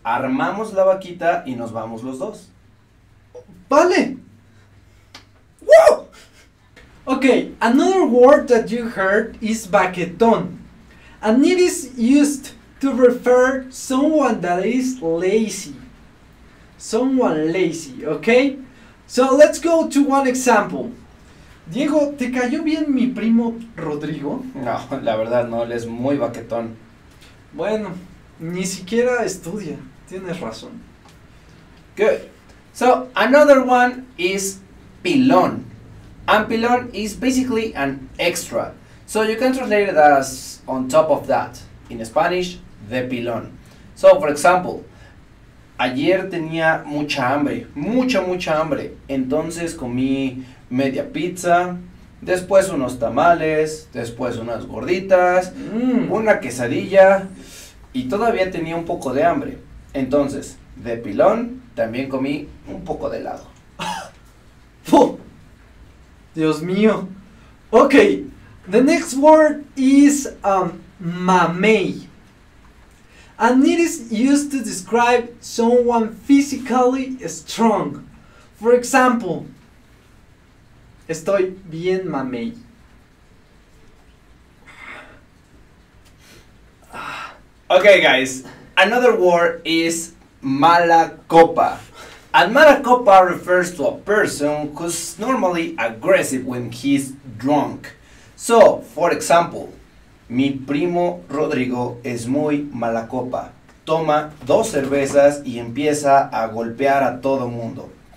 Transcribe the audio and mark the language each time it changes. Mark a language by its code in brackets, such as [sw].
[es] Armamos la vaquita y nos vamos los dos. Vale. [en] Okay, another word that you heard is baquetón, and it is used to refer someone that is lazy. Someone lazy, okay? So let's go to one example. [es] Diego, ¿te cayó bien mi primo Rodrigo? No, la verdad no, él es muy baquetón. Bueno, ni siquiera estudia, tienes razón. [en] Good. So another one is pilón. And pilón is basically an extra. So you can translate it as on top of that. In Spanish, de pilón. So, for example, [es] ayer tenía mucha hambre, mucha hambre. Entonces comí media pizza, después unos tamales, después unas gorditas, una quesadilla, y todavía tenía un poco de hambre. Entonces, de pilón, también comí un poco de helado. Dios mío. [en] Okay, the next word is mamey. And it is used to describe someone physically strong. For example, [es] estoy bien mamey. [en] Okay, guys, another word is mala copa. And mala copa refers to a person who's normally aggressive when he's drunk. So, for example, [es] mi primo Rodrigo es muy mala copa. Toma dos cervezas y empieza a golpear a todo mundo.